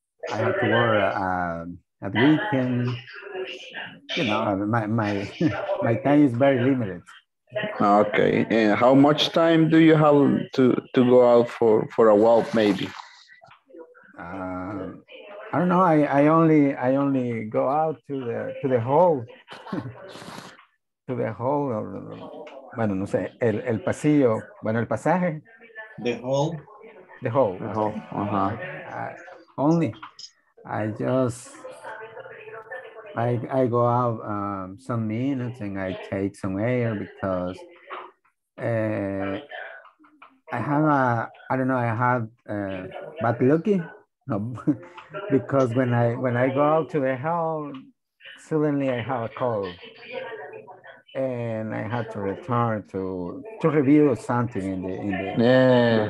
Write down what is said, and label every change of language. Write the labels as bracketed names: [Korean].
[English] I have to work at weekend. You know, my time is very limited. Okay, and how much time do you have to go out for a walk, maybe? I don't know. I only go out to the hall, to the hall. [Spanish] Or, bueno, no sé, el pasillo, bueno, el pasaje. [English] The hall. Uh-huh. Only. I go out some minutes and I take some air because I have bad lucky because when I go out to the hall, suddenly I have a call and I have to return to review something in the